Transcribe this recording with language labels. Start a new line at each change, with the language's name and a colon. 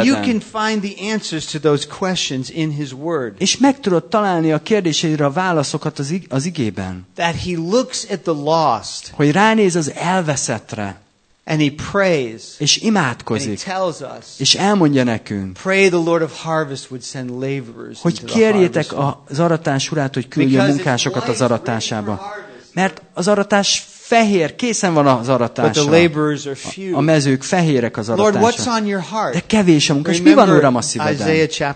English: And you can find the answers to those questions in his word.
Hungarian: És meg tudod találni a kérdéseidre a válaszokat az igében.
English: That he looks at the lost.
Hungarian: Hogy ránéz az elveszettre.
English: And he prays.
Hungarian: És imádkozik.
English: And he tells us.
Hungarian: És elmondja nekünk.
English: Pray the Lord of Harvest would send laborers.
Hungarian: Hogy kérjétek az aratás urát, hogy küldje munkásokat az aratásába. Mert az aratás fehér, készen van az aratásra. A mezők fehérek az aratásra. De kevés a munka. És mi van, Uram, a szívedben?